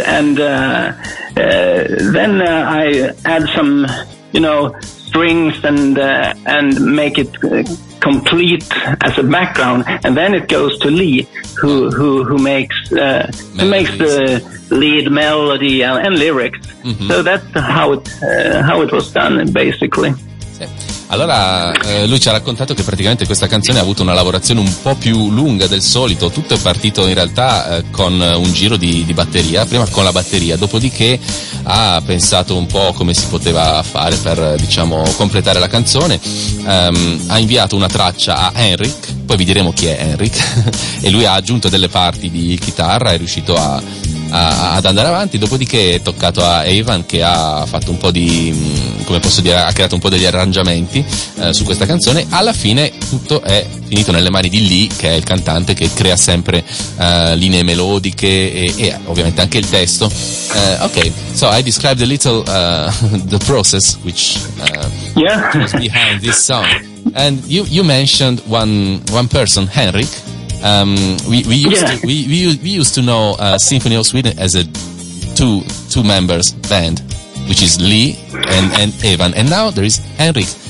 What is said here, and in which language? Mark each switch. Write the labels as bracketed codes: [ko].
[en] And then I add some, you know, strings and make it complete as a background, and then it goes to Lee, who makes the lead melody and lyrics. Mm-hmm. So that's how it was done, basically. [it] Allora, lui ci ha raccontato che praticamente questa canzone ha avuto una lavorazione un po' più lunga del solito. Tutto è partito in realtà con un giro di batteria, prima con la batteria, dopodiché ha pensato un po' come si poteva fare per, diciamo, completare la canzone. Ha inviato una traccia a Henrik, poi vi diremo chi è Henrik, e lui ha aggiunto delle parti di chitarra, è riuscito ad andare avanti. Dopodiché è toccato a Evan, che ha fatto un po' di, come posso dire, ha creato un po' degli arrangiamenti su questa canzone. Alla fine tutto è finito nelle mani di Lee, che è il cantante, che crea sempre linee melodiche e ovviamente anche il testo. [en] Okay, so I described a little the process which was behind this song, and you mentioned one person, Henrik. We used to know Symphony of Sweden as a two members band, which is Lee and Evan, and now there is Henrik.